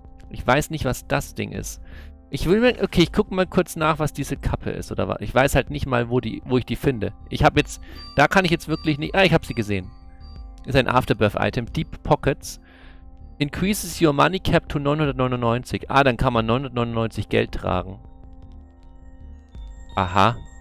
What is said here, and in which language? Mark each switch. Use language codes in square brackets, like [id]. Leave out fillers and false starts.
[de] Ich weiß nicht, was das Ding ist. Ich will mir... Okay, ich gucke mal kurz nach, was diese Kappe ist, oder was? Ich weiß halt nicht mal, wo ich die finde. Ich habe jetzt... Da kann ich jetzt wirklich nicht... Ah, ich habe sie gesehen. Ist ein Afterbirth-Item. [en] Deep Pockets. Increases your money cap to 999. [de] Ah, dann kann man 999 Geld tragen. Aha.